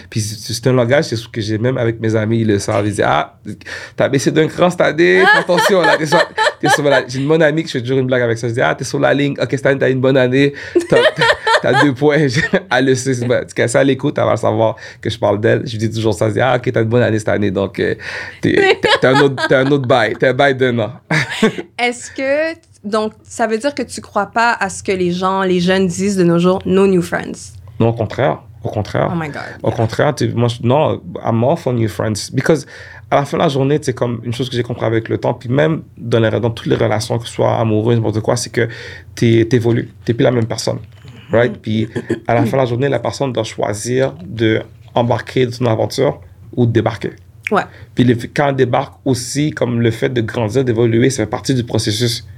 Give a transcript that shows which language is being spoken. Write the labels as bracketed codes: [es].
[fr] puis c'est un langage, c'est ce que j'ai même avec mes amis, ils le savent, ils disent, ah, t'as baissé d'un cran cette année, fais attention là, j'ai une bonne amie qui fait toujours une blague avec ça, je dis, ah, t'es sur la ligne, ok, cette année, t'as une bonne année, t'as 2 points, elle le sait, parce qu'elle sait à l'écoute, elle va savoir que je parle d'elle, je dis toujours ça, je dis, ah, ok, t'as une bonne année cette année, donc t'es un autre bail d'un an. Est-ce que, donc, ça veut dire que tu crois pas à ce que les jeunes disent de nos jours, [en] no new friends? [fr] Non, au contraire. [en] Oh my God. [fr] Au contraire, [en] I'm all for new friends, because... [fr] À la fin de la journée, c'est comme une chose que j'ai compris avec le temps, puis même dans toutes les relations, que ce soit amoureuses, n'importe quoi, c'est que t'évolues, t'es plus la même personne, right? Puis à la fin de la journée, la personne doit choisir d'embarquer dans ton aventure ou de débarquer. Ouais. Puis quand elle débarque aussi, comme le fait de grandir, d'évoluer, ça fait partie du processus.